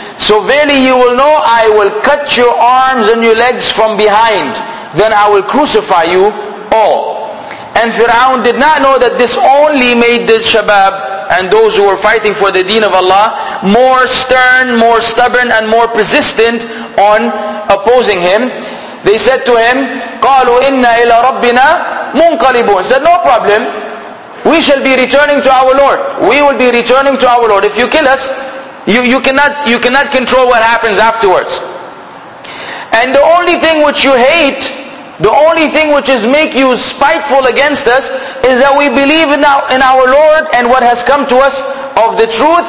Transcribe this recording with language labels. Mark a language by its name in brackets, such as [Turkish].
[English] So verily you will know, I will cut your arms and your legs from behind. Then I will crucify you all. And Fir'aun did not know that this only made the Shabab and those who were fighting for the deen of Allah more stern, more stubborn, and more persistent on opposing him. They said to him, [Arabic] قَالُوا إِنَّا إِلَى رَبِّنَا مُنْقَلِبُونَ. [English] He said, no problem. We shall be returning to our Lord. We will be returning to our Lord. If you kill us, you cannot control what happens afterwards. And the only thing which you hate, the only thing which is make you spiteful against us, is that we believe in our Lord and what has come to us of the truth.